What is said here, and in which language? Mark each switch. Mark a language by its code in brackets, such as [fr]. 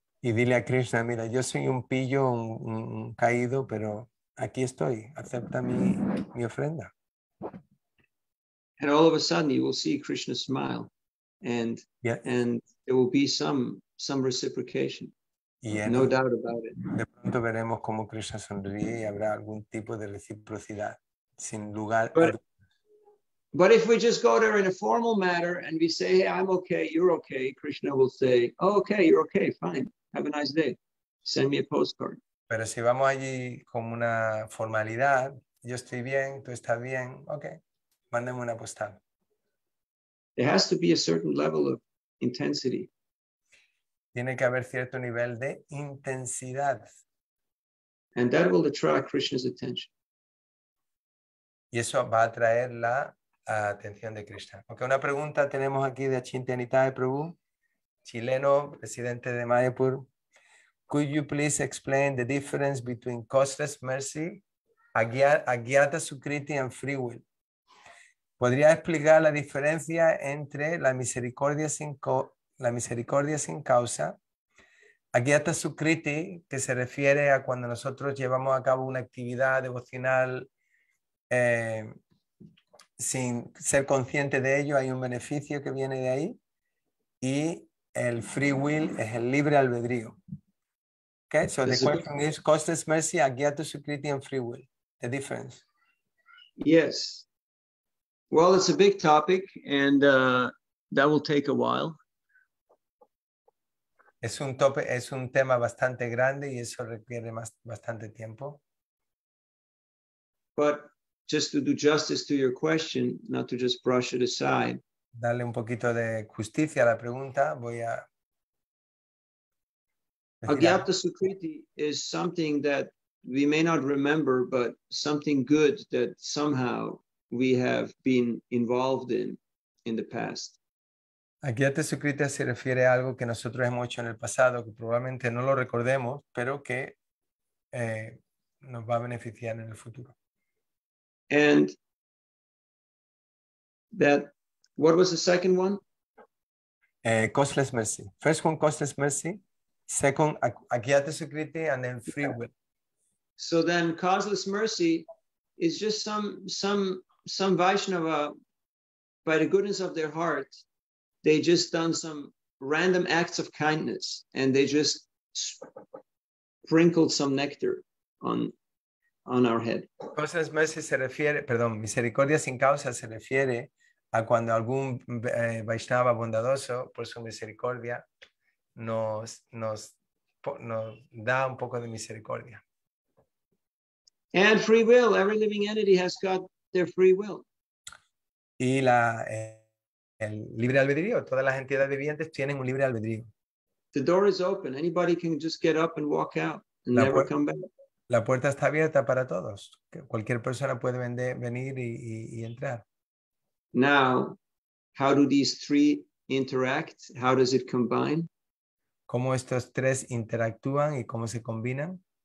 [es] Y dile a Krishna, mira, yo soy un pillo, un caído, pero aquí estoy. Acepta mi ofrenda. [en] And all of a sudden, you will see Krishna smile, and there will be some reciprocation. No doubt about it. [es] De pronto veremos cómo Krishna sonríe y habrá algún tipo de reciprocidad, sin lugar. [en] But if we just go there in a formal manner and we say, hey, I'm okay, you're okay, Krishna will say, oh, okay, you're okay, fine, have a nice day, send me a postcard. [es] Pero si vamos allí como una formalidad, yo estoy bien, tú estás bien, okay, mándame una postal. [en] There has to be a certain level of intensity. [es] Tiene que haber cierto nivel de intensidad. [en] And that will attract Krishna's attention. [es] Y eso va a atraer la atención de Krishna. Okay, una pregunta tenemos aquí de Achinte Anitae Prabhu, chileno, residente de Mayapur. [en] Could you please explain the difference between causeless mercy, agyata sukriti and free will? [es] ¿Podría explicar la diferencia entre la misericordia sin causa, agyata sukriti, que se refiere a cuando nosotros llevamos a cabo una actividad devocional sin ser consciente de ello, hay un beneficio que viene de ahí, y el free will es el libre albedrío? [en] Okay, so the question is, causeless mercy, agyata sukriti, and free will, the difference. Yes. Well, it's a big topic, and that will take a while. [es] Es un tema bastante grande, y eso requiere bastante tiempo. [en] But just to do justice to your question, not to just brush it aside. [es] Dale un poquito de justicia a la pregunta. Voy a [en] agyata sukriti is something that we may not remember, but something good that somehow we have been involved in the past. [es] Aquí a Tesukrita se refiere a algo que nosotros hemos hecho en el pasado, que probablemente no lo recordemos, pero que nos va a beneficiar en el futuro. [en] And that, what was the second one? Costless mercy. First one, costless mercy. Second, Agya Tesukriti, and then free will. So then causeless mercy is just some Vaishnava, by the goodness of their heart, they just done some random acts of kindness and they just sprinkled some nectar on our head. [es] Causeless mercy se refiere, perdón, misericordia sin causa se refiere a cuando algún Vaishnava bondadoso, por su misericordia, nos da un poco de misericordia. [en] And free will, every living entity has got their free will. [es] Y la el libre albedrío, todas las entidades vivientes tienen un libre albedrío. [en] The door is open, anybody can just get up and walk out and never come back. [es] La puerta está abierta para todos, cualquier persona puede venir y entrar. [en] Now, how do these three interact? How does it combine? [es] ¿Cómo estos tres interactúan y cómo se combinan?